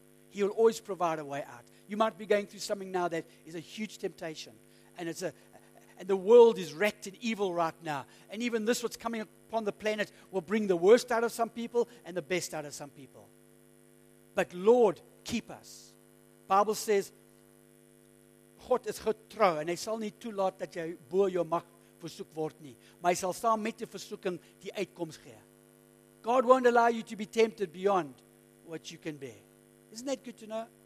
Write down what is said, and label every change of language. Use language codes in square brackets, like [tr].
[en] He will always provide a way out. You might be going through something now that is a huge temptation, and and the world is wrecked in evil right now. And even this, what's coming upon the planet, will bring the worst out of some people and the best out of some people. But Lord, keep us. Bible says, [af] God is getrou, and hy sal nie toelaat dat jy bo jou mag versoek word nie. Maar hy sal saam met die versoeking die uitkoms gee. [en] God won't allow you to be tempted beyond what you can bear. Isn't that good to know?